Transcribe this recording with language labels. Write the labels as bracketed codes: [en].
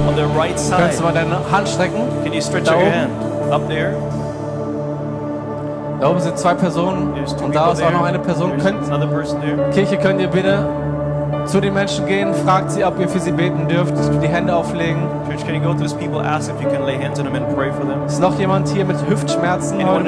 [en] On the right side. [de] Kannst du mal deine Hand strecken? [en] Can you stretch your hand? Up there. [de] Da oben sind zwei Personen und da ist auch noch eine Person. Kirche, könnt ihr bitte zu den Menschen gehen, fragt sie, ob ihr für sie beten dürft, die Hände auflegen. [en] Church, can you go to these people, ask if you can lay hands on them and pray for them? [de] Ist noch jemand hier mit Hüftschmerzen heute Morgen?